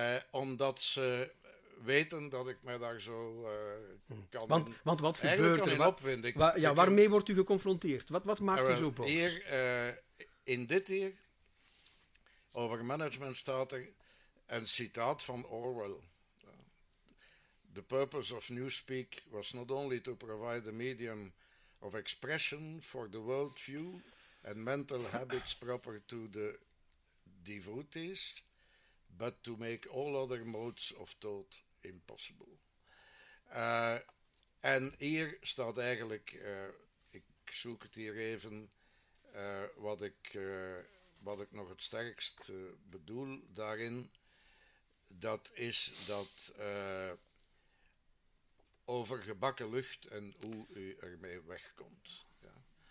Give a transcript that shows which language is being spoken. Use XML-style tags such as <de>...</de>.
<nl>Omdat ze weten dat ik mij daar zo kan... Want wat gebeurt kan er? Waarmee wordt u geconfronteerd? Wat maakt u zo boos? Hier, in dit hier, over management staat er een citaat van Orwell.</nl> <en>The purpose of newspeak was not only to provide a medium of expression for the worldview and mental habits proper to the devotees, but to make all other modes of thought impossible.</en> <nl>En hier staat eigenlijk, ik zoek het hier even, wat ik nog het sterkst bedoel daarin, dat is dat over gebakken lucht en hoe u ermee wegkomt. Ja.</nl>